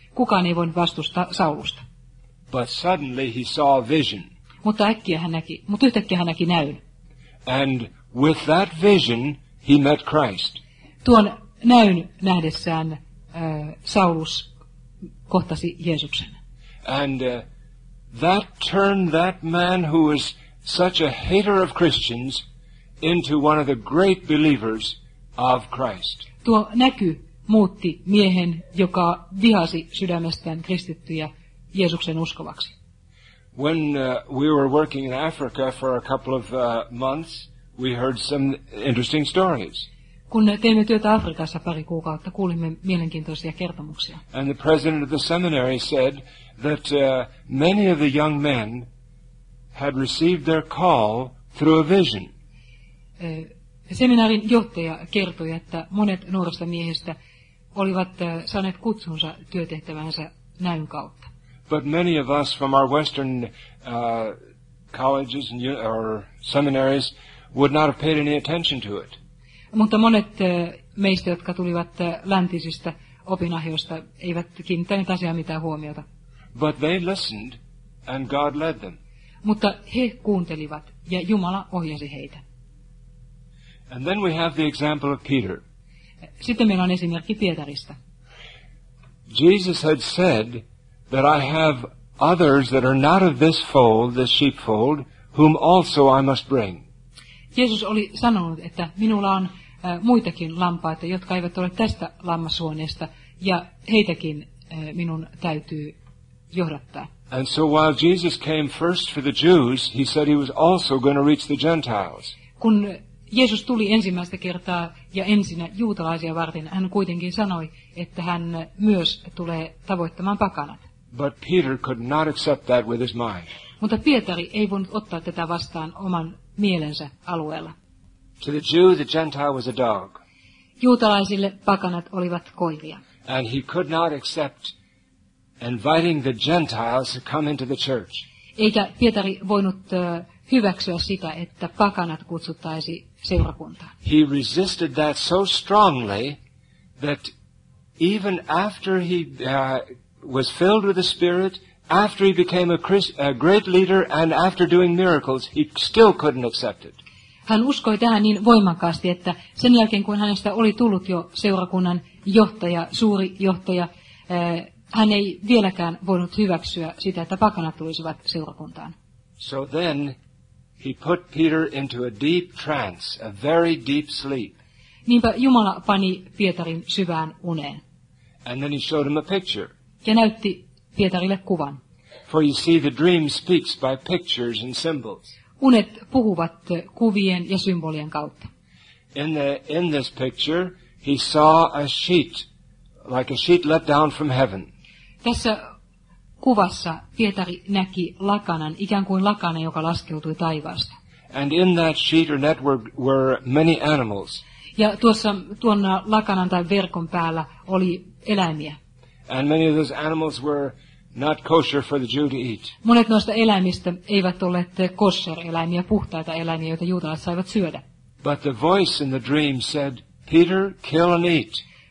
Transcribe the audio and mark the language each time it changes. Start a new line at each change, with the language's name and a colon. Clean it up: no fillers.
Finnish: Kukaan ei voinut vastustaa Saulusta.
English: But suddenly he saw a vision.
Finnish: Mutta yhtäkkiä hän näki näyn.
English: And with that vision he met Christ.
Finnish: Tuon näyn nähdessään Saulus kohtasi Jeesuksen.
English: And that turned that man who was such a hater of Christians into one of the great believers of Christ.
Finnish: Tuo näky muutti miehen, joka vihasi sydämestään kristittyjä, Jeesuksen uskovaksi.
English: When we were working in Africa for a couple of months, we heard some interesting stories.
Finnish: Kun teimme työtä Afrikassa pari kuukautta, kuulimme mielenkiintoisia kertomuksia.
English: And the president of the seminary said that many of the young men had received their call through a vision.
Finnish: Seminaarin johtaja kertoi, että monet nuorista miehistä olivat saaneet kutsunsa työtehtävänsä näyn kautta.
English: But many of us from our Western colleges and or seminaries would not have paid any attention to it.
Finnish: Mutta monet meistä, jotka tulivat läntisistä opinahjoista, eivät kiinnittäneet asiaa mitään huomiota.
English: But they listened, and God led them.
Finnish: Mutta he kuuntelivat, ja Jumala ohjasi heitä.
English: And then we have the example of Peter.
Finnish: Sitten meillä on esimerkki Pietarista.
English: Jesus had said that I have others that are not of this fold, this sheepfold, whom also I must bring.
Finnish: Jeesus oli sanonut, että minulla on muitakin lampaita, jotka eivät ole tästä lammashuoneesta, ja heitäkin minun täytyy johdattaa.
English: And so while Jesus came first for the Jews, he said he was also going to reach the Gentiles.
Finnish: Kun Jeesus tuli ensimmäistä kertaa ja ensinnä juutalaisia varten, hän kuitenkin sanoi, että hän myös tulee tavoittamaan pakanat.
English: But Peter could not accept that with his mind.
Finnish: Mutta Pietari ei voinut ottaa tätä vastaan oman mielensä alueella.
English: To the Jew, the Gentile was a dog.
Finnish: Juutalaisille pakanat olivat koiria.
English: And he could not accept inviting the Gentiles to come into the church.
Finnish: Eikä Pietari voinut hyväksyä sitä, että pakanat kutsuttaisi seurakuntaan.
English: He resisted that so strongly that even after he was filled with the Spirit, after he became a great leader and after doing miracles, he still couldn't accept it.
Finnish: Hän uskoi tähän niin voimakkaasti, että sen jälkeen kun hänestä oli tullut jo seurakunnan johtaja, suuri johtaja, hän ei vieläkään voinut hyväksyä sitä, että pakanat tulisivat seurakuntaan.
English: So then he put Peter into a deep trance, a very deep sleep.
Finnish: Niinpä Jumala pani Pietarin syvään uneen.
English: And then he showed him a picture.
Finnish: Ja näytti Pietarille kuvan.
English: For you see, the dream speaks by pictures and symbols.
Finnish: Unet puhuvat kuvien ja symbolien kautta.
English: In this picture, he saw a sheet, like a sheet let down from heaven.
Finnish: Tässä kuvassa Pietari näki lakanan, ikään kuin lakanan, joka laskeutui taivaasta.
English: And in that sheet or network were many animals.
Finnish: Ja tuossa tuon lakanan tai verkon päällä oli eläimiä.
English: And many of those animals were not kosher for the Jew to eat.
Finnish: Monet noista eläimistä eivät olleet kosher-eläimiä, puhtaita eläimiä, joita juutalaiset saivat syödä.
English: But the voice in the dream said, Peter, kill and eat.